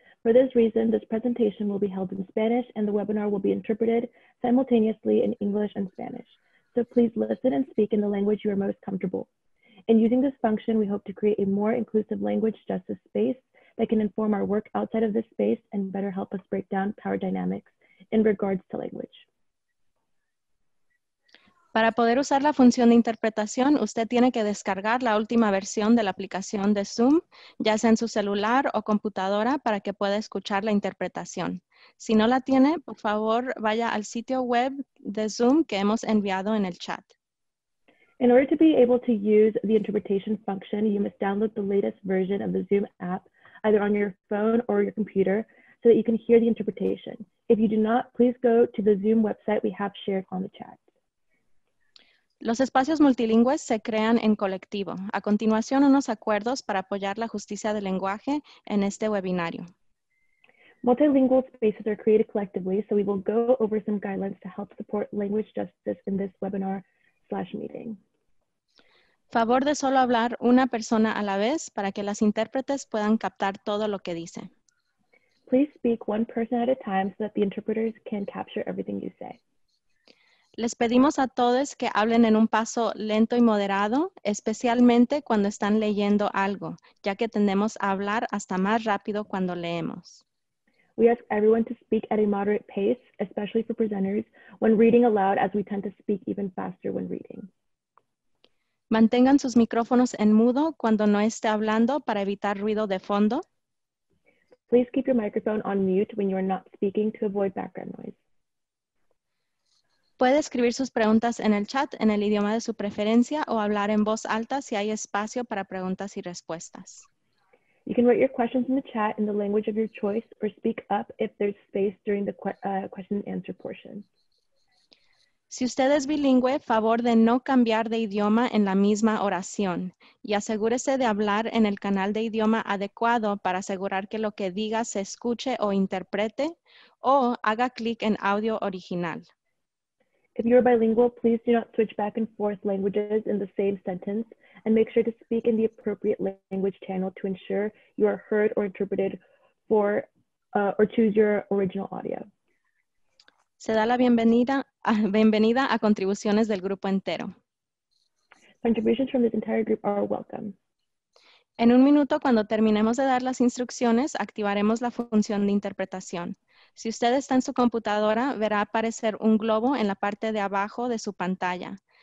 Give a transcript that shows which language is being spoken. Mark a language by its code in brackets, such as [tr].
[en] For this reason, this presentation will be held in Spanish and the webinar will be interpreted simultaneously in English and Spanish. So please listen and speak in the language you are most comfortable. In using this function, we hope to create a more inclusive language justice space that can inform our work outside of this space and better help us break down power dynamics in regards to language. [es] Para poder usar la función de interpretación, usted tiene que descargar la última versión de la aplicación de Zoom, ya sea en su celular o computadora, para que pueda escuchar la interpretación. Si no la tiene, por favor, vaya al sitio web de Zoom que hemos enviado en el chat. [en] In order to be able to use the interpretation function, you must download the latest version of the Zoom app, either on your phone or your computer, so that you can hear the interpretation. If you do not, please go to the Zoom website we have shared on the chat. [es] Los espacios multilingües se crean en colectivo. A continuación, unos acuerdos para apoyar la justicia del lenguaje en este webinario. [en] Multilingual spaces are created collectively, so we will go over some guidelines to help support language justice in this webinar slash meeting. [es] Favor de solo hablar una persona a la vez para que las intérpretes puedan captar todo lo que dice. [en] Please speak one person at a time so that the interpreters can capture everything you say. [es] Les pedimos a todos que hablen en un paso lento y moderado, especialmente cuando están leyendo algo, ya que tendemos a hablar hasta más rápido cuando leemos. [en] We ask everyone to speak at a moderate pace, especially for presenters, when reading aloud, as we tend to speak even faster when reading. [es] Mantengan sus micrófonos en mudo cuando no esté hablando para evitar ruido de fondo. [en] Please keep your microphone on mute when you are not speaking to avoid background noise. [es] Puede escribir sus preguntas en el chat en el idioma de su preferencia o hablar en voz alta si hay espacio para preguntas y respuestas. [en] You can write your questions in the chat in the language of your choice or speak up if there's space during the question and answer portion. [es] Si usted es bilingüe, favor de no cambiar de idioma en la misma oración y asegúrese de hablar en el canal de idioma adecuado para asegurar que lo que diga se escuche o interprete o haga clic en audio original. [en] If you're bilingual, please do not switch back and forth languages in the same sentence and make sure to speak in the appropriate language channel to ensure you are heard or interpreted for or choose your original audio. [es] Se da la bienvenida a contribuciones del grupo entero. [en] Contributions from this entire group are welcome. [es] En un minuto, cuando terminemos de dar las instrucciones, activaremos la función de interpretación. Si usted está en su computadora, verá aparecer un globo en la parte de abajo de su pantalla.